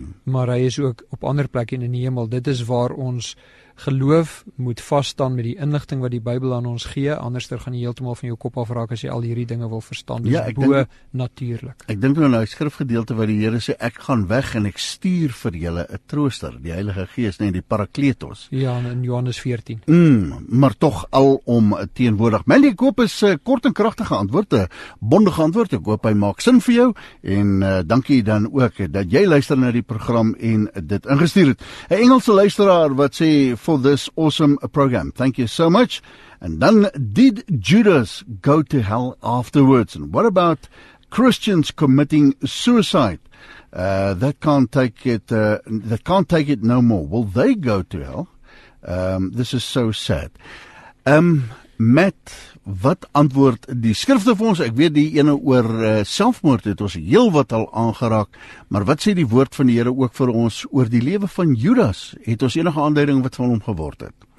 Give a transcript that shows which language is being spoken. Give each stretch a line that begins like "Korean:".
Afrikaans: Maar hy is ook op ander plek en in die hemel. Dit is waar ons geloof moet vaststaan met die inligting wat die Bybel aan ons gee, anders gaan jy heeltemal van jou kop af raak as jy al hierdie dinge wil verstaan, dis ja, bo denk, natuurlik. Ek dink nou die skrifgedeelte waar die Here sê, ek gaan weg en ek stuur vir julle 'n trooster, die Heilige Gees, nee, die Parakletos. Ja, in Johannes 14. Maar toch al om teenwoordig. Mandy, ek hoop is kort en krachtige antwoord, bondige antwoord, ek hoop hy maak sin vir jou, en dankie dan ook, dat jy luister na die program en dit ingestuur het. Een Engelse luisteraar wat sê,
English: for this awesome program. Thank you so much. And then, did Judas go to hell afterwards? And what about Christians committing suicide? That can't take it no more. Will they go to hell? This is so sad.
Afrikaans: Matt, wat antwoord die skrifte vir ons? Ek weet die ene oor selfmoord het ons heel wat al aangeraak, maar wat sê die woord van die Here ook vir ons oor die lewe van Judas? Het ons enige aanduiding wat van hom geword het?